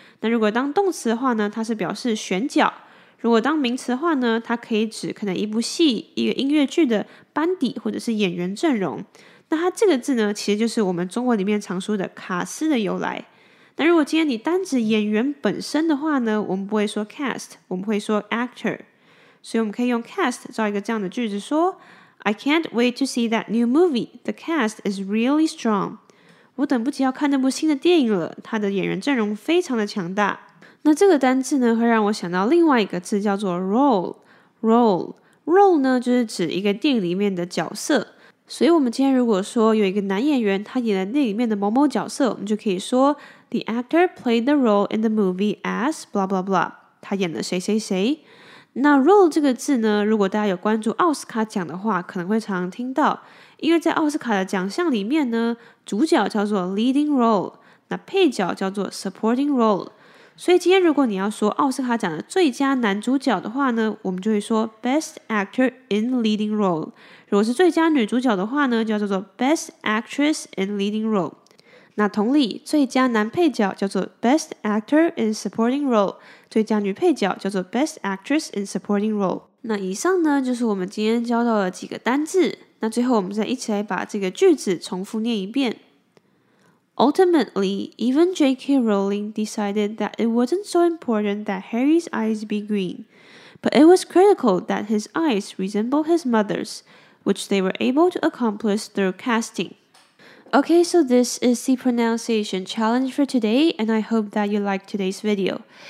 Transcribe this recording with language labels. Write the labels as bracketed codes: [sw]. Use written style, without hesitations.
[zh] 那如果当动词的话呢，它是表示选角，如果当名词的话呢，它可以指可能一部戏、一个音乐剧的班底或者是演员阵容。那它这个字呢，其实就是我们中文里面常说的卡司的由来。那如果今天你单指演员本身的话呢，我们不会说 cast， 我们会说 actor。所以我们可以用 [en] cast [zh] 造一个这样的句子说， [en] I can't wait to see that new movie. The cast is really strong. [zh] 我等不及要看那部新的电影了，它的演员阵容非常的强大。那这个单字呢，会让我想到另外一个字叫做 role。 role 呢，就是指一个电影里面的角色。所以我们今天如果说有一个男演员他演了电影里面的某某角色，我们就可以说 [en] The actor played the role in the movie as blah blah [zh] blah， 他演了谁谁谁。那 role 这个字呢，如果大家有关注奥斯卡奖的话，可能会常常听到。因为在奥斯卡的奖项里面呢，主角叫做 leading role， 那配角叫做 supporting role。所以今天如果你要说奥斯卡奖的最佳男主角的话呢，我们就会说 Best Actor in Leading Role。如果是最佳女主角的话呢，就叫做 Best Actress in Leading Role。那同理，最佳男配角叫做 Best Actor in Supporting Role， 最佳女配角叫做 Best Actress in Supporting Role。那以上呢，就是我们今天教到的几个单字。那最后我们再一起来把这个句子重复念一遍。 [en] Ultimately, even J.K. Rowling decided that it wasn't so important that Harry's eyes be green, but it was critical that his eyes resemble his mother's, which they were able to accomplish through casting. Okay, so this is the pronunciation challenge for today, and I hope that you liked today's video.